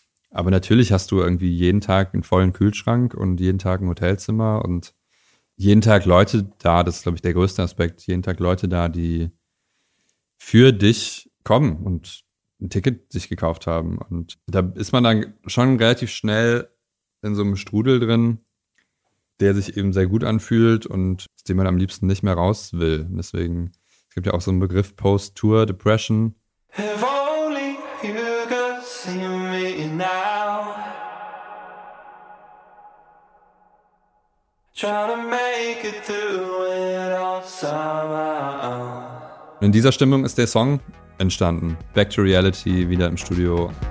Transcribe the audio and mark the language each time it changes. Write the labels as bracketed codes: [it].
[de] Aber natürlich hast du irgendwie jeden Tag einen vollen Kühlschrank und jeden Tag ein Hotelzimmer und jeden Tag Leute da, das ist, glaube ich, der größte Aspekt, jeden Tag Leute da, die für dich kommen und ein Ticket sich gekauft haben. Und da ist man dann schon relativ schnell in so einem Strudel drin, der sich eben sehr gut anfühlt und den man am liebsten nicht mehr raus will. Und deswegen, es gibt ja auch so einen Begriff Post-Tour-Depression. [en] If only you could see me now. Trying to make it through it all somehow. [de] In dieser Stimmung ist der Song entstanden. [en] Back to Reality, [de] wieder im Studio.